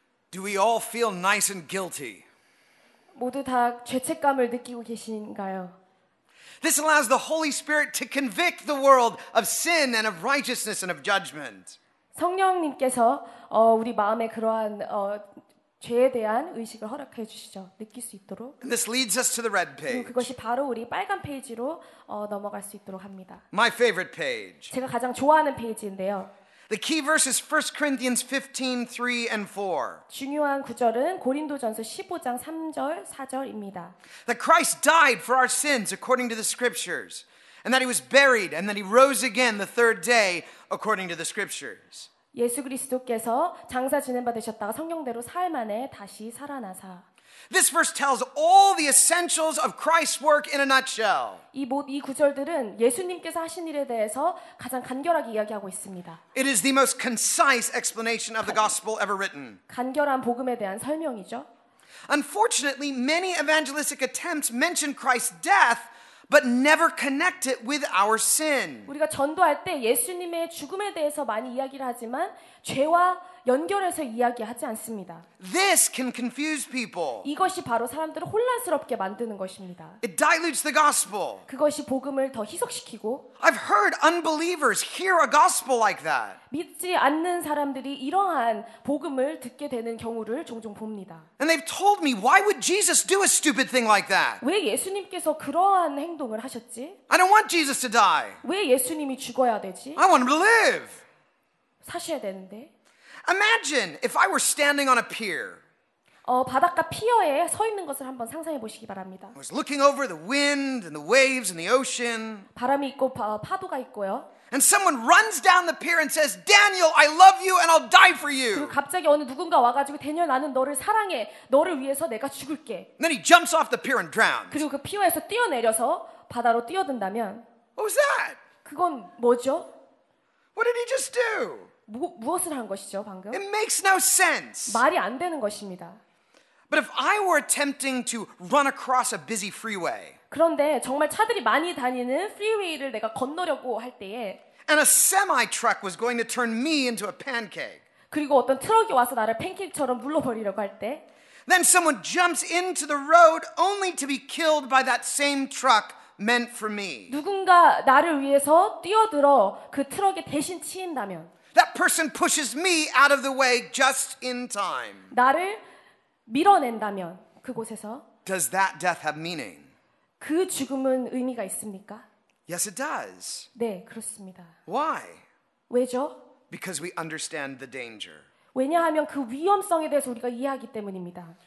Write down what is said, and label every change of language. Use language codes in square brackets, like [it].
[en] Do we all feel nice and guilty? [ko] 모두 다 죄책감을 느끼고 계신가요? [en] This allows the Holy Spirit to convict the world of sin and of righteousness and of judgment. [ko] 성령님께서 우리 마음에 그러한 죄에 대한 의식을 허락해 주시죠. 느낄 수 있도록. [en] And this leads us to the red page. [ko] 그것이 바로 우리 빨간 페이지로 넘어갈 수 있도록 합니다. [en] My favorite page. [ko] 제가 가장 좋아하는 페이지인데요. [en] The key verse is 1 Corinthians 15, 3 and 4. [ko] 중요한 구절은 고린도전서 15장 3절, 4절입니다. [en] That Christ died for our sins according to the scriptures, and that he was buried, and that he rose again the third day according to the scriptures. [ko] 예수 그리스도께서 장사 지낸받으셨다가 성경대로 사흘 만에 다시 살아나사. [en] This verse tells all the essentials of Christ's work in a nutshell. [ko] 이 구절들은 예수님께서 하신 일에 대해서 가장 간결하게 이야기하고 있습니다. [en] It is the most concise explanation of the gospel ever written. [ko] 간결한 복음에 대한 설명이죠. [en] Unfortunately, many evangelistic attempts mention Christ's death but never connect it with our sin. [ko] 우리가 전도할 때 예수님의 죽음에 대해서 많이 이야기를 하지만 죄와 연결해서 이야기하지 않습니다. [en] This can confuse people. [ko] 이것이 바로 사람들을 혼란스럽게 만드는 것입니다. [en] It dilutes the gospel. [ko] 그것이 복음을 더 희석시키고. [en] I've heard unbelievers hear a gospel like that. [ko] 믿지 않는 사람들이 이러한 복음을 듣게 되는 경우를 종종 봅니다. [en] And they've told me, why would Jesus do a stupid thing like that? [ko] 왜 예수님께서 그러한 행동을 하셨지? [en] I don't want Jesus to die. [ko] 왜 예수님이 죽어야 되지? [en] I want him to live. [ko] 사셔야 되는데. [en] Imagine if I were standing on a pier. [ko] 바닷가 피어에 서 있는 것을 한번 상상해 보시기 바랍니다. [en] I was looking over the wind and the waves and the ocean. [ko] 바람이 있고 파도가 있고요. [en] And someone runs down the pier and says, "Daniel, I love you and I'll die for you." [ko] 그리고 갑자기 어느 누군가 와가지고 대니얼 나는 너를 사랑해 너를 위해서 내가 죽을게. [en] Then he jumps off the pier and drowns. [ko] 그리고 그 피어에서 뛰어내려서 바다로 뛰어든다면. [en] What was that? [ko] 그건 뭐죠? [en] What did he just do? [ko] 무엇을 한 것이죠, 방금? [en] It makes no sense. [ko] 말이 안 되는 것입니다. [en] But if I were attempting to run across a busy freeway. [ko] 그런데 정말 차들이 많이 다니는 freeway를 내가 건너려고 할 때에 [en] and a semi truck was going to turn me into a pancake. [ko] 그리고 어떤 트럭이 와서 나를 팬케이크처럼 물러 버리려고 할 때 [en] then someone jumps into the road only to be killed by that same truck. Meant for me. [ko] 누군가 나를 위해서 뛰어들어 그 트럭에 대신 치인다면. [en] That person pushes me out of the way just in time. [ko] 나를 밀어낸다면 그곳에서. [en] Does that death have meaning? [ko] 그 죽음은 의미가 있습니까? [en] Yes, it does. [ko] 네, 그렇습니다. [en] Why? [ko] 왜죠? [en] Because we understand the danger. [ko] 왜냐하면 그 위험성에 대해서 우리가 이해하기 때문입니다.